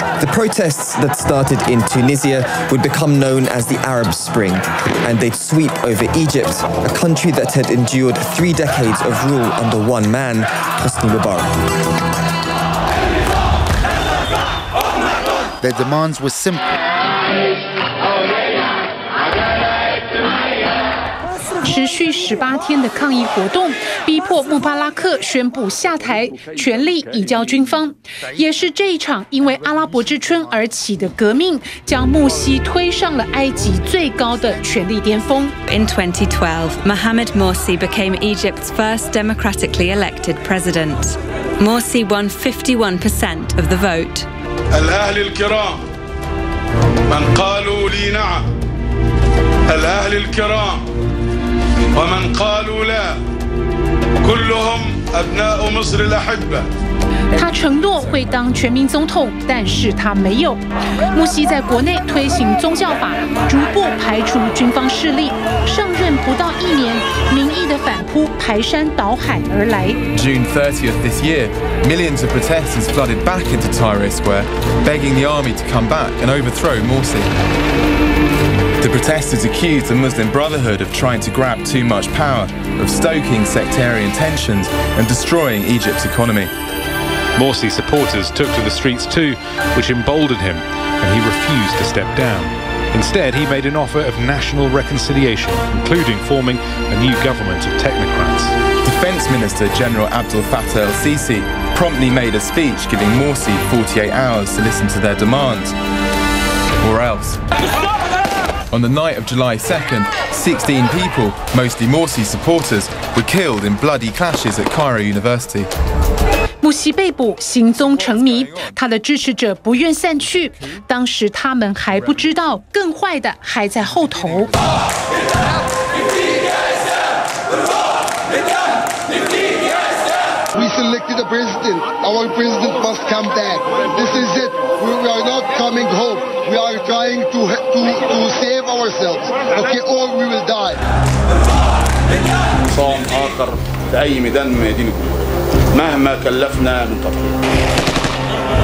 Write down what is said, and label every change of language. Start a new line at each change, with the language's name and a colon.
English: The protests that started in Tunisia would become known as the Arab Spring, and they'd sweep over Egypt, a country that had endured three decades of rule under one man, Hosni Mubarak. Their demands were simple.
Chinese: 持续18天的抗议活动逼迫穆巴拉克宣布下台，权力移交军方，也是这一场因为阿拉伯之春而起的革命将穆西推上了埃及最高的权力巅峰。
English: In 2012, Mohamed Morsi became Egypt's first democratically elected president. Morsi won 51% of the vote.
Arabic: الأهل الكرام من قالوا لي نعم الأهل الكرام ومن قالوا لا كلهم أبناء مصر الأحبة.
Chinese: 他承诺会当全民总统，但是他没有。穆西在国内推行宗教法，逐步排除军方势力。上任不到一年，民意的反扑排山倒海而来。
English: June 30th this year, millions of protesters flooded back into Tahrir Square, begging the army to come back and overthrow Morsi. The protesters accused the Muslim Brotherhood of trying to grab too much power, of stoking sectarian tensions and destroying Egypt's economy. Morsi supporters took to the streets too, which emboldened him, and he refused to step down. Instead, he made an offer of national reconciliation, including forming a new government of technocrats. Defense Minister General Abdel Fattah el-Sisi promptly made a speech giving Morsi 48 hours to listen to their demands, or else. On the night of July 2nd, 16 people, mostly Morsi supporters, were killed in bloody clashes at Cairo University.
Chinese: 穆西被捕，行踪成谜，他的支持者不愿散去。当时他们还不知道，更坏的还在后头。
English: We selected a president. Our president must come back. This is it. We are not coming home. We are trying to save ourselves. Okay, or we will die.
Arabic: صوم آخر بأي ميدان من ميدانكم مهما كلفنا من تطهير.